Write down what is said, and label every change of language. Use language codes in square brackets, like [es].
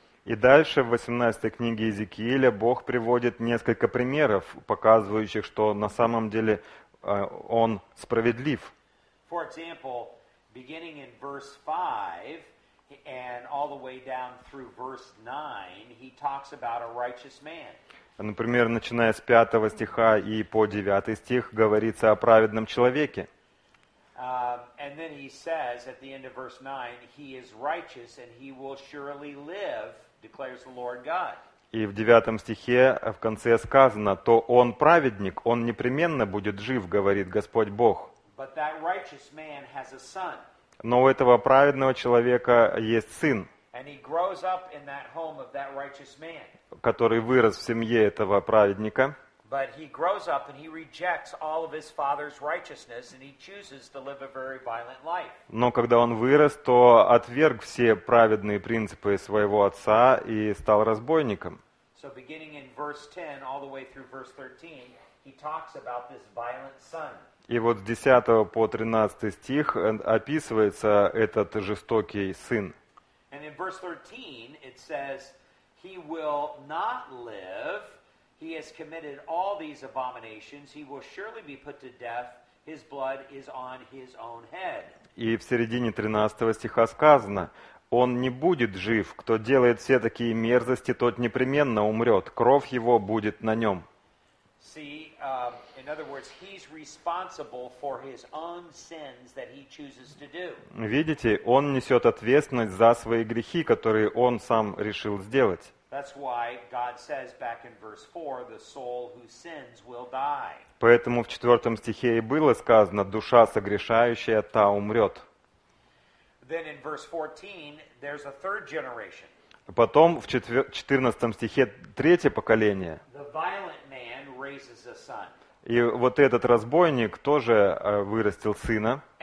[ru] И дальше в 18 книге Иезекииля Бог приводит несколько примеров, показывающих, что на самом деле он справедлив. [en] For example, beginning in verse 5 and all the way down through verse 9, he talks about a righteous man. [ru] Например, начиная с 5 стиха и по 9 стих говорится о праведном человеке. [en] And then he says at the end of verse 9, he is righteous and he will surely live, declares the Lord God. [ru] И в 9 стихе в конце сказано, то он праведник, он непременно будет жив, говорит Господь Бог. [en] But that righteous man has a son. [ru] Но у этого праведного человека есть сын. [en] And he grows up in that home of that righteous man. [ru] Который вырос в семье этого праведника. [en] But he grows up and he rejects all of his father's righteousness and he chooses to live a very violent life. [ru] Но когда он вырос, то отверг все праведные принципы своего отца и стал разбойником. [en] So beginning in verse 10 all the way through verse 13, he talks about this violent son. [ru] И вот с 10 по 13 стих описывается этот жестокий сын. [en] And in verse 13 it says he will not live. He has committed all these abominations. He will surely be put to death. His blood is on his own head. [ru] И в середине 13 стиха сказано: он не будет жив. Кто делает все такие мерзости, тот непременно умрет. Кровь его будет на нем. [en] See, in other words, he's responsible for his own sins that he chooses to do. [ru] Видите, он несет ответственность за свои грехи, которые он сам решил сделать. [en] That's why God says back in verse 4, the soul who sins will die. [ru] Поэтому в 4 стихе и было сказано, душа согрешающая, та умрет. [en] Then in verse 14, there's a third generation. [ru] Потом в 14 стихе третье поколение. [en] The violent man raises a son. [ru] И вот этот разбойник тоже вырастил сына.